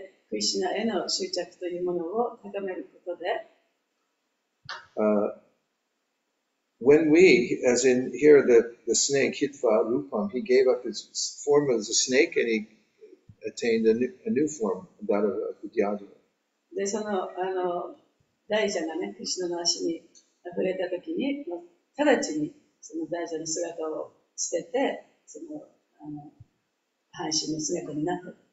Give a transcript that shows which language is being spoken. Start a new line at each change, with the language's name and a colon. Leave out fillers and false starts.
Japanese: クリシナへの執着というものを高めることで、
English: When we, as in here, the snake Hitva Rupam, he gave up his form as a snake and he attained a new form, that of a Vidyadhara.
Japanese: で、その、あの、ダイジャがね、クリシナの足に触れたときに、直ちにそのダイジャの姿を捨てて、その、あの、半身の姿になった。